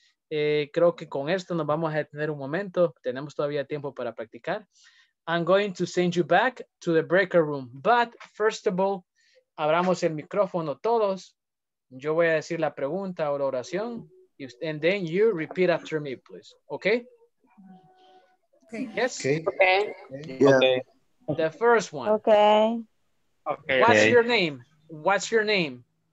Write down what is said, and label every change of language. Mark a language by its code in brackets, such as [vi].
[es] Creo que con esto nos vamos a detener un momento. Tenemos todavía tiempo para practicar. [en] I'm going to send you back to the breakout room. But first of all, [es] abramos el micrófono todos. Yo voy a decir la pregunta o la oración. [en] And then you repeat after me, please. Okay? Okay. Yes? Okay. Okay. Yeah. Okay. The first one. Okay. Okay. What's your name? What's your name?